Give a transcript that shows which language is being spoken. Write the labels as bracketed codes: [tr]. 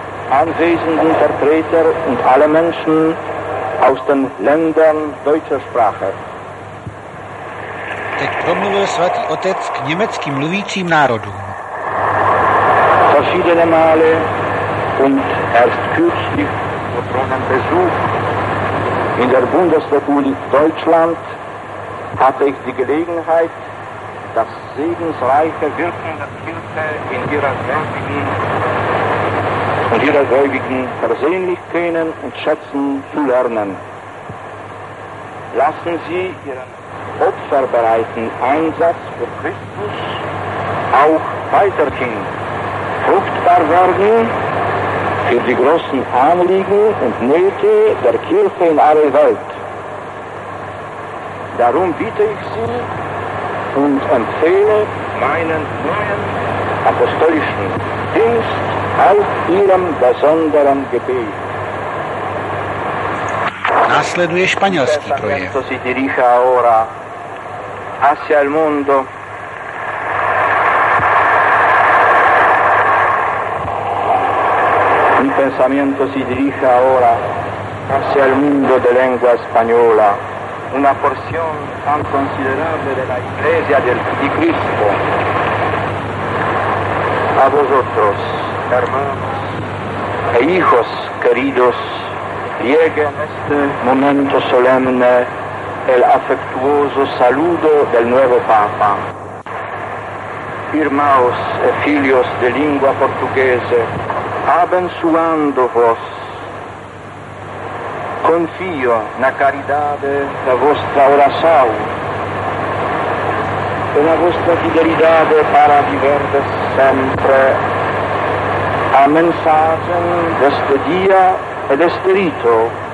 [de] Anwesenden Vertreter und alle Menschen aus den Ländern deutscher Sprache. [cs] Teď promluvil svatý otec k německy mluvícím národům. [de] Verschiedene Male und erst kürzlich betrunken Besuch in der Bundesrepublik Deutschland hatte ich die Gelegenheit, das segensreiche Wirken der Kirche in ihrer selbigen und ihrer Gläubigen persönlich kennen und schätzen zu lernen. Lassen Sie Ihren opferbereiten Einsatz für Christus auch weiterhin fruchtbar werden für die großen Anliegen und Nöte der Kirche in aller Welt. Darum bitte ich Sie und empfehle meinen neuen apostolischen Dienst auf ihrem besonderen Gebet. [cs] Následuje španělský projev. [es] Si dirige ahora hacia el mundo. Mi pensamiento si dirige ahora hacia el mundo de lengua española. Una porción tan considerable de la Iglesia del Cristo. A vosotros, hermanos e hijos queridos, llegue en este momento solemne el afectuoso saludo del nuevo Papa. [pt] Irmãos e filhos de lingua portuguesa, abençoando-vos, confio na caridade da vostra oração e na vostra fidelidade para viver sempre a mensagem deste dia e deste rito.